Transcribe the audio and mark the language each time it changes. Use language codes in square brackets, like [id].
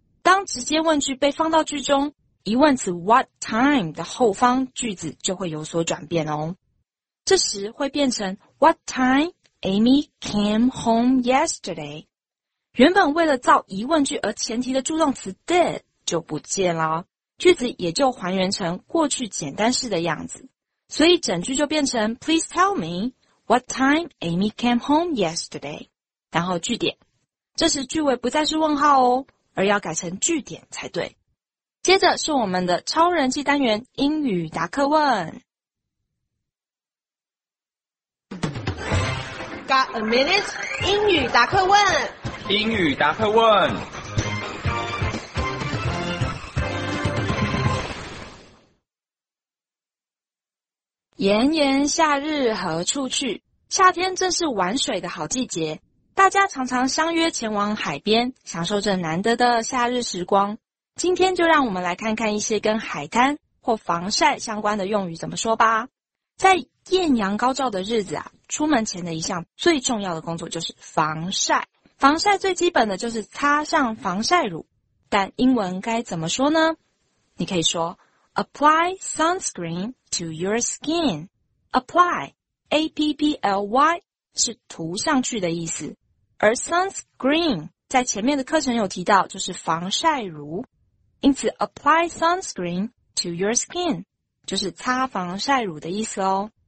[zh] 当直接问句被放到句中，疑问词 what time 的后方句子就会有所转变哦，这时会变成 [en] What time Amy came home yesterday？ [zh] 原本为了造疑问句而前提的助动词 did 就不见了，句子也就还原成过去简单式的样子。所以整句就变成 [en] Please tell me what time Amy came home yesterday. [zh] 然后句点。这时句尾不再是问号哦，而要改成句点才对。接着是我们的超人气单元英语答客问。 [en] Got a minute? [zh] 英语答客问。英语答客问。炎炎夏日何处去？夏天正是玩水的好季节，大家常常相约前往海边，享受着难得的夏日时光。今天就让我们来看看一些跟海滩或防晒相关的用语怎么说吧。在艳阳高照的日子啊，出门前的一项最重要的工作就是防晒。防晒最基本的就是擦上防晒乳，但英文该怎么说呢？ [en] 你可以说 Apply sunscreen to your skin. [zh] Apply, A-P-P-L-Y 是涂上去的意思，而 sunscreen 在前面的课程有提到就是防晒乳，因此 [en] apply sunscreen to your skin [zh] 就是擦防晒乳的意思哦。